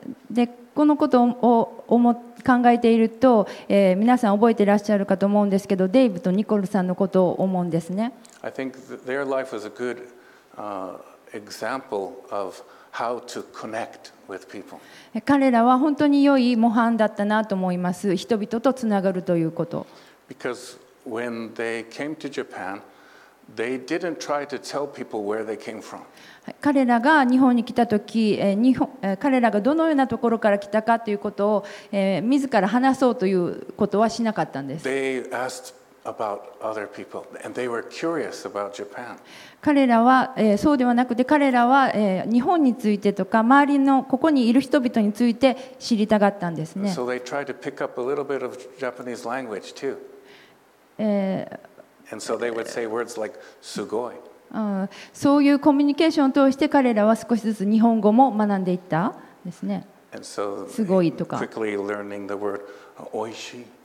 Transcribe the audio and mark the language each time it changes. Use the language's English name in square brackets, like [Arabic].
[Japanese] でこのことを考えていると、皆さん覚えていらっしゃるかと思うんですけど、デイブとニコルさんのことを思うんですね。 [English] I think their life was a good, example of how to connect with people. [Japanese] 彼らは本当に良い模範だったなと思います。人々とつながるということ。 [English] Because when they came to Japan,They didn't try to tell people where they came from. [Japanese] 彼らが日本に来たとき、彼らがどのようなところから来たかということを、自ら話そうということはしなかったんです。 [English] They asked about other people, and they were curious about Japan. [Japanese] 彼らは、そうではなくて、彼らは、日本についてとか周りのここにいる人々について知りたかったんですね。 [English] So they tried to pick up a little bit of Japanese language too. And so they would say words like [Japanese] すごい。そういうコミュニケーションを通して彼らは少しずつ日本語も学んでいったですね。 [English] And so, [Japanese] すごいとか。 [English] Quickly learning the word [Japanese] おいしい。